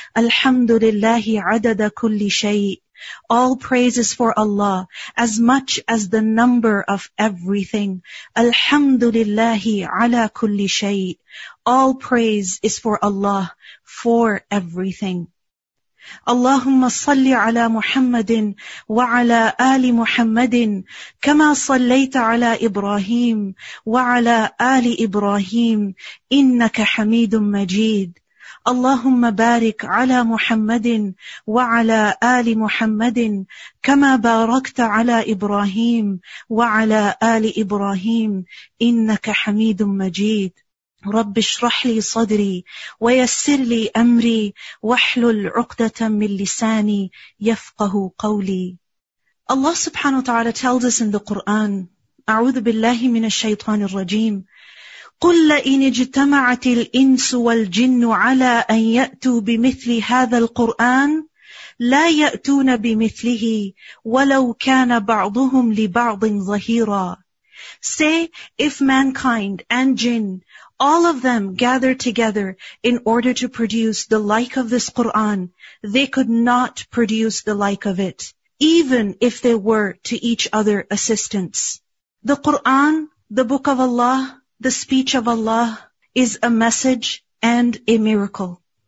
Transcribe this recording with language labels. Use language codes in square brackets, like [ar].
[ar] Alhamdulillahi adada kulli shay'. [en] All praise is for Allah as much as the number of everything. [ar] Alhamdulillahi ala kulli shay'. [en] All praise is for Allah for everything. [ar] اللهم صل على محمد وعلى آل محمد كما صليت على إبراهيم وعلى آل إبراهيم إنك حميد مجيد. اللهم بارك على محمد وعلى آل محمد كما باركت على إبراهيم وعلى آل إبراهيم إنك حميد مجيد. رب اشرح لي صدري ويسر لي أمري واحلل عقدة من لساني يفقه قولي. Allah subhanahu wa ta'ala [en] tells us in the Quran, [ar] أعوذ بالله من الشيطان الرجيم, قل لئن اجتمعت الإنس والجن على أن يأتوا بمثل هذا القرآن لا يأتون بمثله ولو كان بعضهم لبعض ظهيرا. [en] Say, if mankind and jinn, all of them gathered together in order to produce the like of this Qur'an, they could not produce the like of it, even if they were to each other assistants. The Qur'an, the Book of Allah, the speech of Allah, is a message and a miracle.